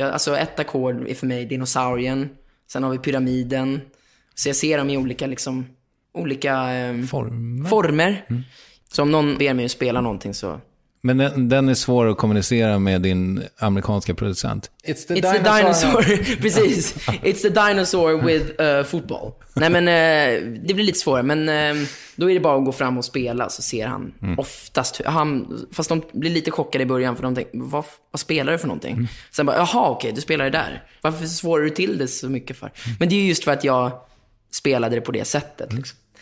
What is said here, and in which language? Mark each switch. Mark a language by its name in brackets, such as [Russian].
[Swedish] Alltså ett ackord är för mig dinosaurien. Sen har vi pyramiden. Så jag ser dem i olika liksom, olika former. Mm. Så om någon ber mig att spela någonting så... Men den är svår att kommunicera med din amerikanska producent. [English] It's the dinosaur. [Swedish] Precis. [English] It's the dinosaur with football. [Swedish] Nej men det blir lite svårare. Men då är det bara att gå fram och spela. Så ser han oftast han, fast de blir lite chockade i början. För de tänker, vad spelar du för någonting? Mm. Sen bara, jaha okej, du spelar det där. Varför svårar du till det så mycket för? Men det är just för att jag spelade det på det sättet liksom.